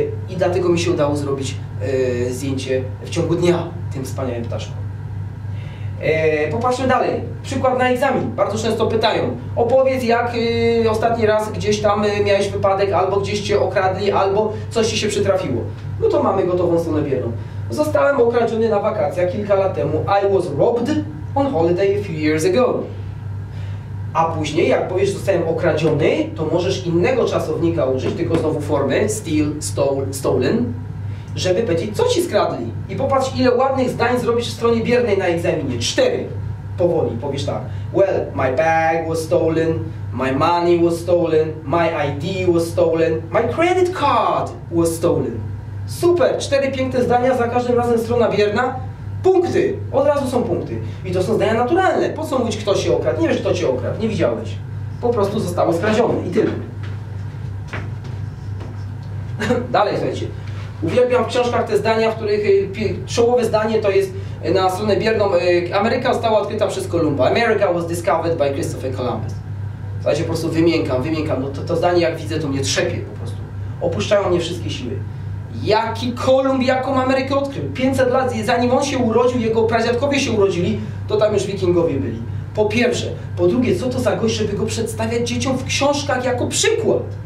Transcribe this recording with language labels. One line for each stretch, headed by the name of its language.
Polish: i dlatego mi się udało zrobić zdjęcie w ciągu dnia tym wspaniałym ptaszkom. Popatrzmy dalej. Przykład na egzamin. Bardzo często pytają: opowiedz, jak ostatni raz gdzieś tam miałeś wypadek, albo gdzieś cię okradli, albo coś ci się przytrafiło. No to mamy gotową stronę bierną. Zostałem okradziony na wakacjach kilka lat temu.
English: I was robbed on holiday a few years ago.
Polish: A później, jak powiesz, zostałem okradziony, to możesz innego czasownika użyć, tylko znowu formy steal, stolen, żeby powiedzieć, co ci skradli. I popatrz, ile ładnych zdań zrobisz w stronie biernej na egzaminie. Cztery. Powoli, powiesz tak.
English: Well, my bag was stolen, my money was stolen, my ID was stolen, my credit card was stolen.
Polish: Super, cztery piękne zdania, za każdym razem strona bierna. Punkty, od razu są punkty. I to są zdania naturalne. Po co mówić, kto się okradł? Nie wiesz, kto cię okradł, nie widziałeś. Po prostu zostało skradzione i tyle. Dalej, słuchajcie. Uwielbiam w książkach te zdania, w których czołowe zdanie to jest na stronę bierną: Ameryka została odkryta przez Kolumba.
English: America was discovered by Christopher Columbus.
Polish: Słuchajcie, po prostu wymiękam. No to zdanie, jak widzę, to mnie trzepie po prostu. Opuszczają mnie wszystkie siły. Jaki Kolumb, jaką Amerykę odkrył? 500 lat, zanim on się urodził, jego pradziadkowie się urodzili, to tam już Wikingowie byli. Po pierwsze. Po drugie, co to za gość, żeby go przedstawiać dzieciom w książkach jako przykład?